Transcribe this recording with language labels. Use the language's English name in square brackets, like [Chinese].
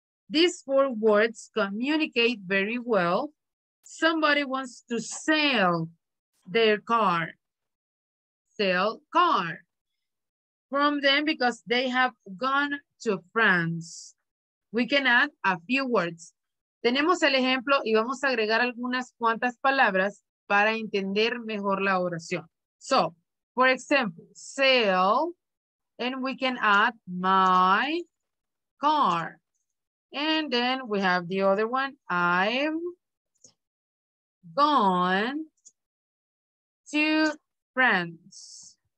[English] These four words communicate very well. Somebody wants to sell their car, sell car from them because they have gone to France. We can add a few words. [Spanish] Tenemos el ejemplo y vamos a agregar algunas cuantas palabras para entender mejor la oración. [English] So, for example, sell, and we can add my car. And then we have the other one, I'm gone to friends.